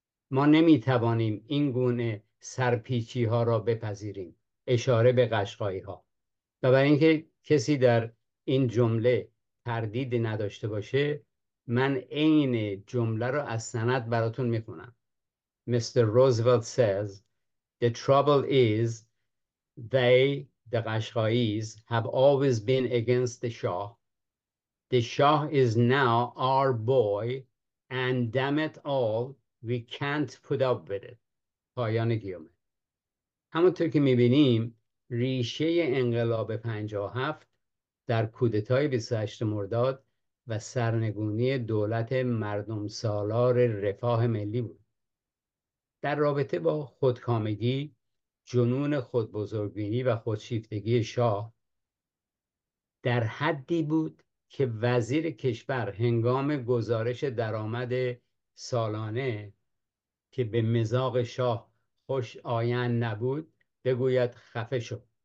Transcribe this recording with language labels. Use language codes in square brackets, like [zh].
[fa] ما نمیتوانیم این گونه سرپیچی ها را بپذیریم. اشاره به قشقایی ها. و برای اینکه کسی در این جمله تردید نداشته باشه من عین جمله را از سند براتون میخونم. [en] Mister Roosevelt says the trouble is the Qashqais have always been against the Shah. The Shah is now our boy and damn it all, we can't put up with it. [fa] پایان گیومه. همونطور که میبینیم ریشه انقلاب 57 در کودتای 28 مرداد و سرنگونی دولت مردم سالار رفاه ملی بود. در رابطه با خودکامگی، جنون خودبزرگبینی و خودشیفتگی شاه در حدی بود که وزیر کشور هنگام گزارش درآمد سالانه که به مزاق شاه خوش آیند نبود بگوید خفه شو.